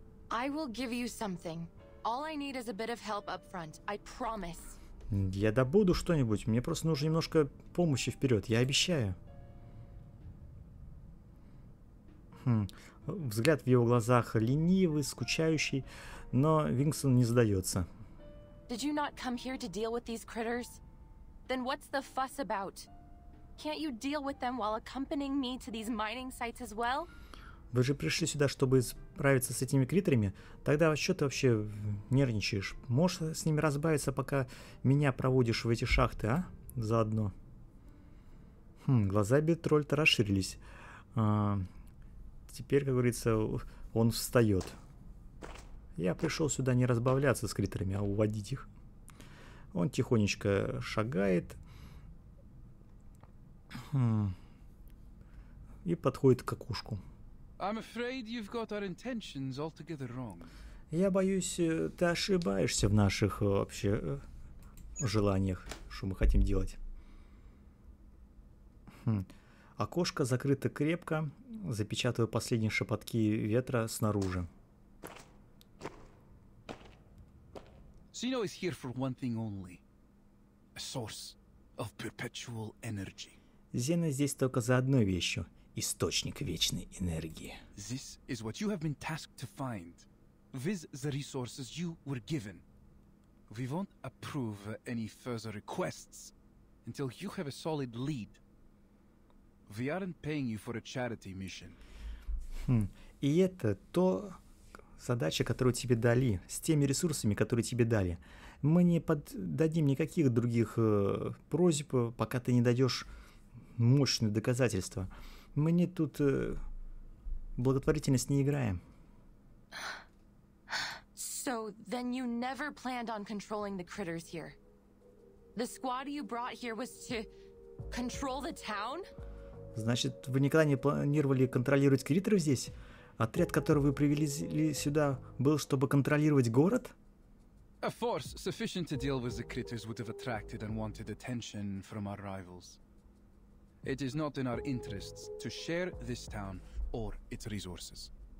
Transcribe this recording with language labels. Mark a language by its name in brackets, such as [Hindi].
[English] I will give you something. All I need is a bit of help up front. I promise. [Russian] Я добуду что-нибудь, мне просто нужно немножко помощи вперед, я обещаю. Взгляд в его глазах ленивый, скучающий, но Винсон не сдается. [English] Did you not come here to deal with these critters? Then what's the fuss about? Can't you deal with them while accompanying me to these mining sites as well? [Russian] Вы же пришли сюда, чтобы справиться с этими критерами? Тогда что ты вообще нервничаешь? Можешь с ними разбавиться, пока меня проводишь в эти шахты, а? Заодно. Глаза Бетрольта расширились. Теперь, как говорится, он встает. Я пришел сюда не разбавляться с критерами, а уводить их. Он тихонечко шагает. И подходит к кокушку. [English] I'm afraid you've got our intentions altogether wrong. [Russian] Я боюсь, ты ошибаешься в наших вообще желаниях, что мы хотим делать. Окошко закрыто крепко, запечатываю последние шепотки ветра снаружи. [English] Zeno is here for one thing only. A source of perpetual energy. [Russian] Зена здесь только за одной вещью. Источник вечной энергии. [English] This is what you have been tasked to find. With the resources you were given. We won't approve any further requests until you have a solid lead. We aren't paying you for a charity mission. [Russian] И это то задача, которую тебе дали, с теми ресурсами, которые тебе дали. Мы не поддадим никаких других просьб, пока ты не дадешь мощные доказательства. Мы не тут благотворительность не играем. [English] So then you never planned on controlling the critters here. The squad you brought here was to control the town? [Russian] Значит, вы никогда не планировали контролировать критеров здесь? Отряд, который вы привели сюда, был, чтобы контролировать город? [English] A force sufficient to deal with the critters would have attracted unwanted attention from our rivals. It is not in our interests to share this town or its resources.